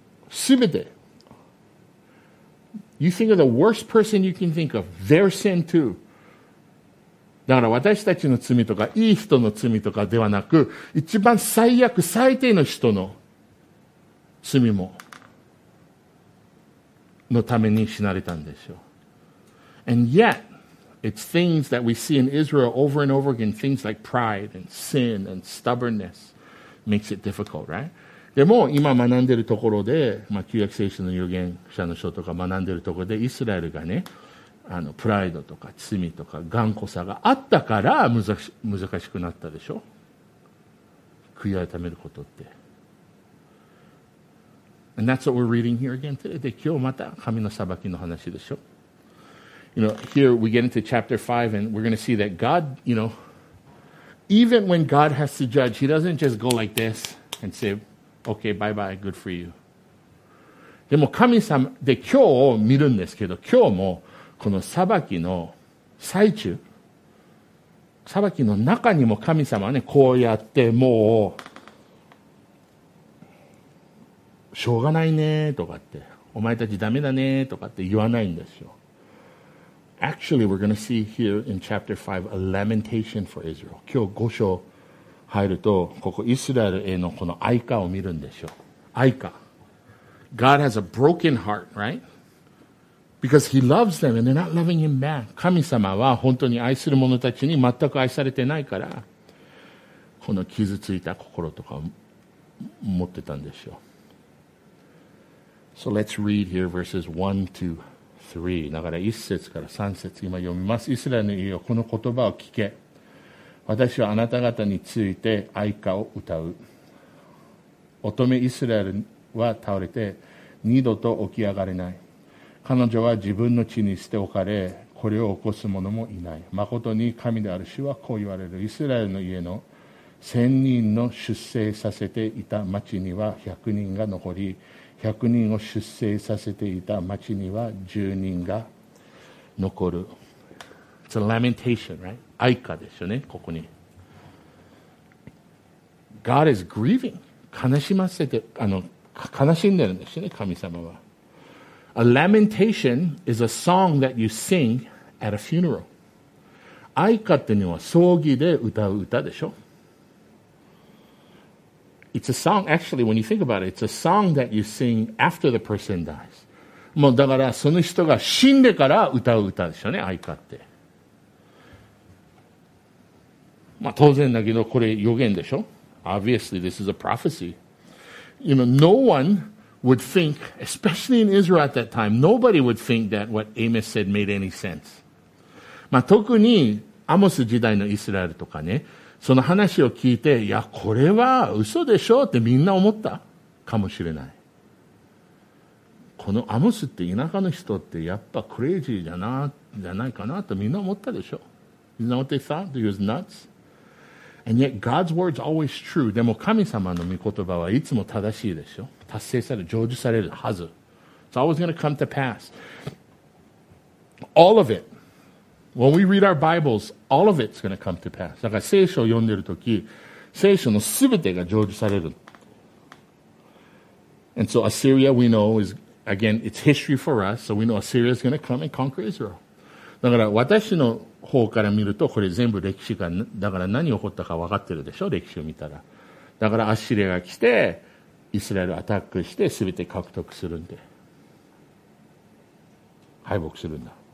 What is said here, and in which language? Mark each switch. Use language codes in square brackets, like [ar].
[en] 全て You think of the worst person you can think of their sin too [ja] だから私たちの罪とかいい人の罪とかではなく一番最悪最低の人の罪ものために死なれたんですよ。 [en] And yet, it's things that we see in Israel over and over again, things like pride and sin and stubbornness makes it difficult, right? [ja] でも今学んでいるところで、まあ、旧約聖書の預言者の書とか学んでいるところでイスラエルがね、あのプライドとか罪とか頑固さがあったから難しくなったでしょ、悔い改めることって。 [en] And that's what we're reading here again today. [ja] で今日また神の裁きの話でしょ。 [en] You know, here we get into chapter 5 and we're going to see that God, you know, even when God has to judge, he doesn't just go like this and say, okay, bye bye, good for you. [ja] でも神様で今日を見るんですけど、今日もこの裁きの最中、裁きの中にも神様はね、こうやってもう、しょうがないねとかって、お前たちダメだねとかって言わないんですよ。 [en] Actually, we're going to see here in chapter 5 a lamentation for Israel. [ja] 今日5章入ると、ここイスラエルへのこの哀歌を見るんですよ。 [en] 哀歌。God has a broken heart, right? Because he loves them and they're not loving him back. [ja] 神様は本当に愛する者たちに全く愛されてないから、この傷ついた心とかを持ってたんでしょう。 [en] So let's read here verses 1 to 3. [ja] だから1節から3節今読みます。イスラエルの家よ、この言葉を聞け。私はあなた方について哀歌を歌う。乙女イスラエルは倒れて二度と起き上がれない。彼女は自分の地に捨て置かれ、これを起こす者もいない。誠に神である主はこう言われる。イスラエルの家の千人の出征させていた町には百人が残り、百人を出征させていた町には十人が残る。 [en] It's a lamentation, right? [ja] 哀歌ですよね、ここに。 [en] God is grieving. [ja] 悲しんでるんですよね、神様は。 [en] A lamentation is a song that you sing at a funeral. [ja] 哀歌ってのは葬儀で歌う歌でしょ? [en] It's a song, actually, when you think about it, it's a song that you sing after the person dies. [ja] もうだからその人が死んでから歌う歌でしょうね、哀歌って。まあ当然だけどこれ予言でしょ? [en] Obviously, this is a prophecy. You know, no one... would think, especially in Israel at that time, nobody would think that what Amos said made any sense. [ja] まあ、特にアモス時代のイスラエルとかね、その話を聞いて、いや、これは嘘でしょってみんな思ったかもしれない。このアモスって田舎の人ってやっぱクレイジーじゃないかなとみんな思ったでしょ。 [en] Isn't that what they thought? He was nuts? And yet God's word's always true. [ja] でも神様の御言葉はいつも正しいでしょ。達成される、成就されるはず。 [en] It's always going to come to pass. All of it. When we read our Bibles, all of it's going to come to pass. [ja] だから聖書を読んでるとき、聖書のすべてが成就される。 [en] And so Assyria, we know, is, again, it's history for us, so we know Assyria is going to come and conquer Israel. [ja] だから私の方から見ると、これ全部歴史が、だから何起こったか分かってるでしょ、歴史を見たら。だからアッシリアが来て、イスラエルアタックしてすべて獲得するんで敗北するんだ。